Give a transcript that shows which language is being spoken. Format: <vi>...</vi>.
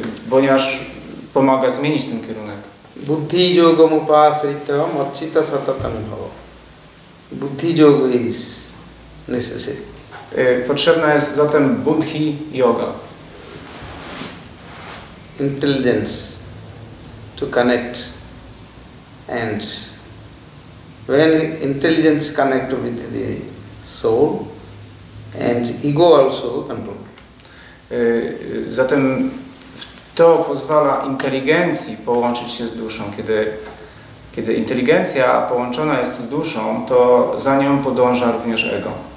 <pl>Ponieważ pomaga zmienić ten kierunek.</pl> <sa>Buddhi yogam upasritam achita satatam bhava.</sa> <en>Buddhi yoga is necessary.</en> <pl>Potrzebna jest zatem buddhi yoga.</pl> <en>Intelligence to connect, and when intelligence connect with the soul and ego also control.</en> <pl>Zatem to pozwala inteligencji połączyć się z duszą. Kiedy inteligencja połączona jest z duszą, to za nią podąża również ego.</pl>